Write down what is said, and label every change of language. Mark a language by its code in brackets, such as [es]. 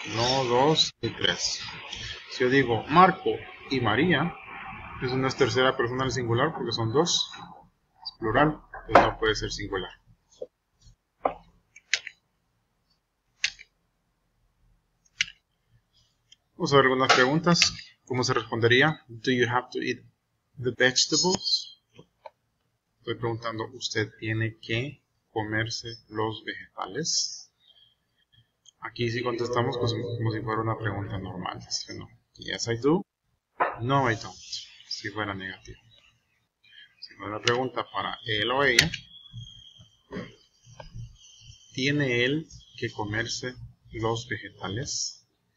[es] No dos ni tres. Si yo digo Marco y María, eso no es tercera persona al singular porque son dos. Es plural, entonces no puede ser singular. Vamos a ver algunas preguntas. ¿Cómo se respondería? [en] Do you have to eat the vegetables? [es] Estoy preguntando, ¿usted tiene que comerse los vegetales? Aquí sí contestamos pues, como si fuera una pregunta normal. Si no, [en] yes, I do. No, I don't. [es] Si fuera negativo. Si fuera una pregunta para él o ella, ¿tiene él que comerse los vegetales?